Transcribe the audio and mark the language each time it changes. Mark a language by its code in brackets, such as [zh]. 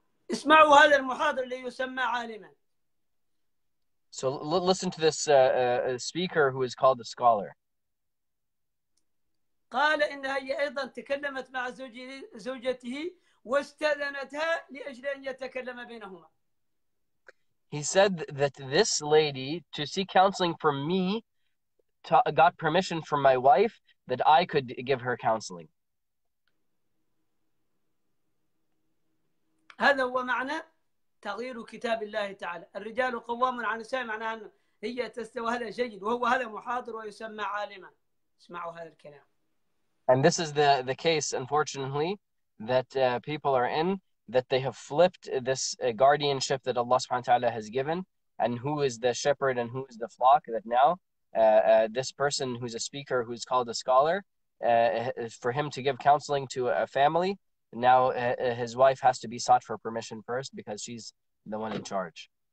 [ar] اسمعوا هذا المحاضر ليسمى عالما. [en] So listen to this speaker who is called a scholar. [ar] قال إنها هي أيضا تكلمت مع زوجته واستأذنتها لأجل أن يتكلم بينهما. [en] He said that this lady, to seek counseling from me, got permission from my wife that I could give her counseling. [ar] هذا هو معنى تغيير كتاب الله تعالى. الرجال قوامون على النساء معنى أن هي تستوى هذا جيد وهو هذا محاضر ويسمى عالما. اسمعوا هذا الكلام. [en] And this is the case, unfortunately, that people are in, that they have flipped this guardianship that Allah subhanahu wa ta'ala has given, and who is the shepherd and who is the flock, that now this person who's a speaker, who's called a scholar, for him to give counseling to a family, now his wife has to be sought for permission first because she's the one in charge.